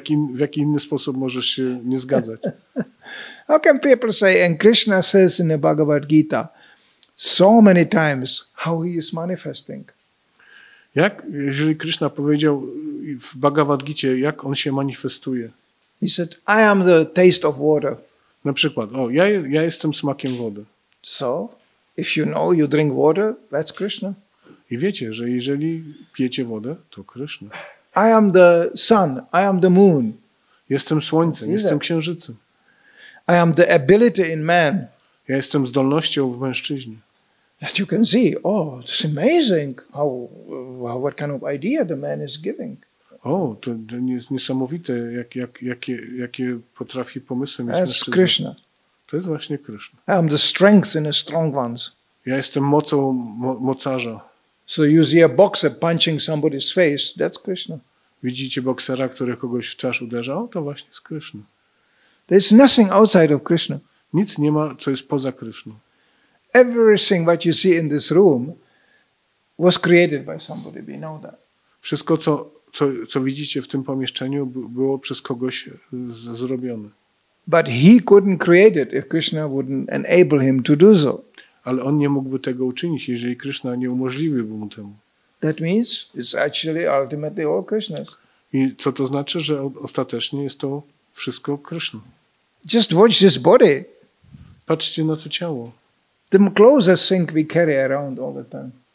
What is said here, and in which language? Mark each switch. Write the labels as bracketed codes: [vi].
[pl] W jaki inny sposób możesz się nie zgadzać? [en] How can people say, and Krishna says in the Bhagavad Gita so many times how he is manifesting? [pl] Jak, jeżeli Krishna powiedział w Bhagavad Gita, jak on się manifestuje? [en] He said, I am the taste of water. [pl] Na przykład, o, ja jestem smakiem wody. [en] So, if you know you drink water, that's Krishna. [pl] I wiecie, że jeżeli pijecie wodę, to Krishna. [en] I am the sun, I am the moon. [pl] Jestem słońcem, jestem księżycem. [en] I am the ability in man. [pl] Ja jestem zdolnością w mężczyźnie. [en] That you can see, oh, it's amazing how what kind of idea the man is giving. [pl] O, to niesamowite, jakie potrafi pomysły mieć. [en] That's Krishna. [pl] To jest właśnie Krishna. [en] I'm the strength in the strong ones. [pl] Ja jestem mocą mocarza. [en] So you see a boxer punching somebody's face, that's Krishna. [pl] Widzicie boksera, który kogoś w czaszę uderza? O, to właśnie jest Krishna. [en] There's nothing outside of Krishna. [pl] Nic nie ma, co jest poza Krishna. [en] Everything what you see in this room was created by somebody, we know that. [pl] Wszystko, co widzicie w tym pomieszczeniu, było przez kogoś zrobione. [en] But he couldn't create it if Krishna wouldn't enable him to do so. [pl] Ale on nie mógłby tego uczynić, jeżeli Krishna nie umożliwiłby mu temu. [en] That means it's actually ultimately all Krishna's. [pl] I co to znaczy, że ostatecznie jest to wszystko Krishna? [en] Just watch this body. [pl] Patrzcie na to ciało. [en] The clothes think we carry around all the time.